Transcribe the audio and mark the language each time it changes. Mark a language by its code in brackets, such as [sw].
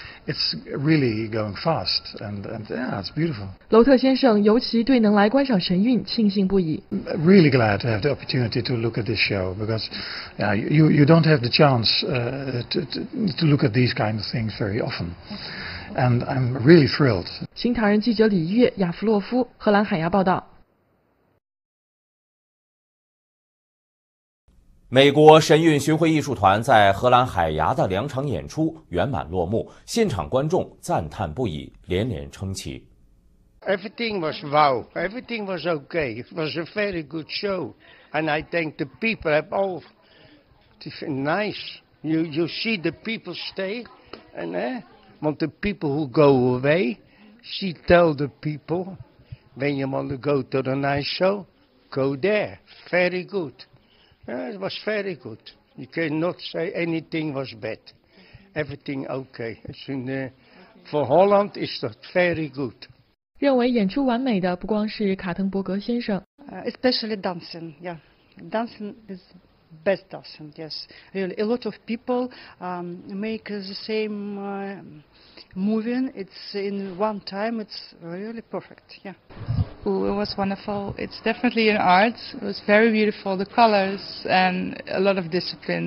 [en] It's really going fast and yeah, it's beautiful. [zh] 楼特先生尤其对能来观赏神韵庆幸不已。 [en] Really glad to have the opportunity to look at this show because yeah, you don't have the chance to look at these kind of things very often. And I'm really thrilled. [zh] 新唐人记者李月雅夫洛夫荷兰海牙报道。美国神韵巡回艺术团在荷兰海牙的两场演出圆满落幕，现场观众赞叹不已，连连称奇。 [en] Everything was wow. Everything was okay. It was a very good show, and I think the people have all been nice. You see the people stay, and want the people who go away, she tell the people, When you want to go to the nice show, go there. Very good. It was very good. You cannot say anything was bad. Everything okay. For Holland, it's not very good. [zh] 认为演出完美的不光是卡滕伯格先生。 [en] Especially dancing, yeah. Dancing is best dancing, yes. Really, a lot of people make the same moving. It's in one time, it's really perfect, yeah. Ooh, it was wonderful. It's definitely an art. It was very beautiful, the colors and a lot of discipline.